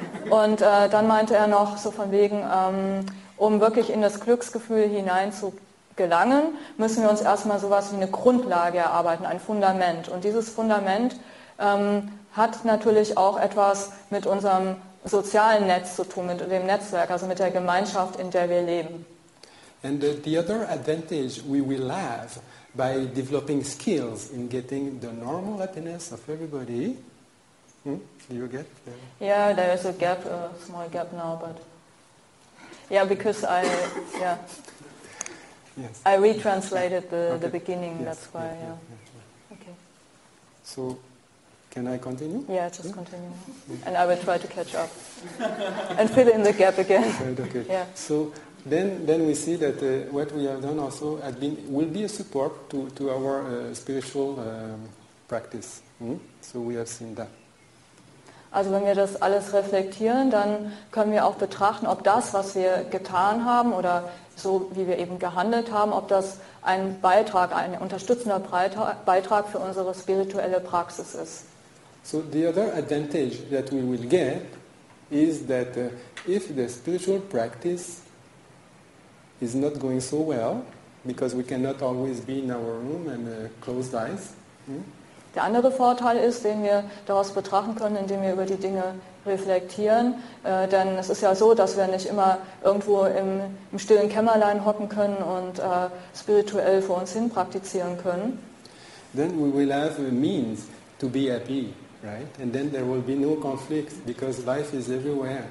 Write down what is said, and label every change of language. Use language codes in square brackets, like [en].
[de] Und dann meinte er noch so von wegen, um wirklich in das Glücksgefühl hinein zu gelangen, müssen wir uns erstmal sowas wie eine Grundlage erarbeiten, ein Fundament. Und dieses Fundament hat natürlich auch etwas mit unserem sozialen Netz zu tun, mit dem Netzwerk, also mit der Gemeinschaft, in der wir leben. [en] And the other advantage we will have by developing skills in getting the normal happiness of everybody. You get? Yeah, there is a gap, a small gap now, but yeah, because I retranslated the beginning. Yes, that's why. Okay. So, can I continue? Yeah, just continue, and I will try to catch up and fill in the gap again. Right, okay. Yeah. So then we see that what we have done also will be a support to our spiritual practice. So we have seen that. [de] Also wenn wir das alles reflektieren, dann können wir auch betrachten, ob das, was wir getan haben oder so, wie wir eben gehandelt haben, ob das ein Beitrag, ein unterstützender Beitrag für unsere spirituelle Praxis ist. [en] So the other advantage that we will get is that if the spiritual practice is not going so well, because we cannot always be in our room and closed eyes. [de] Der andere Vorteil ist, den wir daraus betrachten können, indem wir über die Dinge reflektieren, denn es ist ja so, dass wir nicht immer irgendwo im stillen Kämmerlein hocken können und spirituell vor uns hin praktizieren können. [en] Then we will have a means to be happy, right? And then there will be no conflict, because life is everywhere.